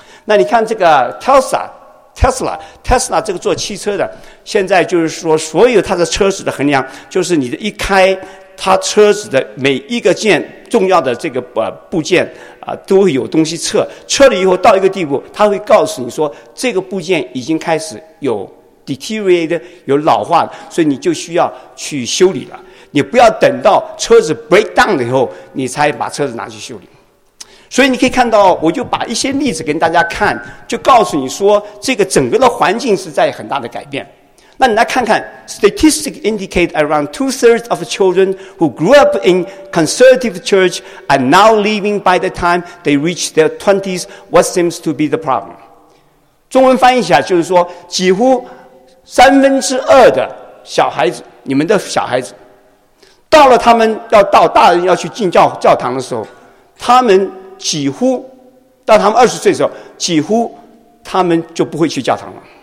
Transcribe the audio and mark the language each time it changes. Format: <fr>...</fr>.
<zh>那你看这个 Tesla 这个做汽车的，现在就是说所有它的车子的衡量，就是你的一开它车子的每一个件重要的这个部件啊，都会有东西测，测了以后到一个地步，它会告诉你说这个部件已经开始有 deteriorate 有老化了，所以你就需要去修理了，你不要等到车子 break down 了以后你才把车子拿去修理。所以你可以看到，我就把一些例子跟大家看，就告诉你说这个整个的环境是在很大的改变。那你来看看</zh> <en>statistics indicate around two-thirds of children who grew up in conservative church are now leaving by the time they reach their 20s, what seems to be the problem?</en> <zh>中文翻译一下就是说，几乎三分之二的小孩子，你们的小孩子到了他们要到大人要去进 教堂的时候，他们几乎到他们二十岁的时候，几乎他们就不会去教堂了。</zh>